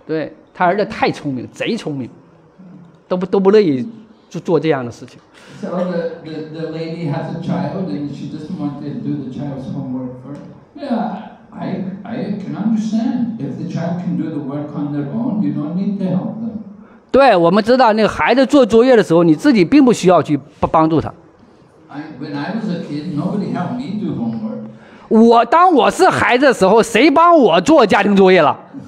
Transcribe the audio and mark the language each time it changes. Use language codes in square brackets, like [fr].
[zh] 对，他儿子太聪明，贼聪明，都不乐意做这样的事情。 [en] So the lady has a child and she doesn't want to do the child's homework first. Yeah, I can understand if the child can do the work on their own, you don't need to help them. [zh] 对，我们知道那个孩子做作业的时候，你自己并不需要去帮助他。 [en] When I was a kid, nobody helped me do homework. [zh] 我当我是孩子的时候，谁帮我做家庭作业了？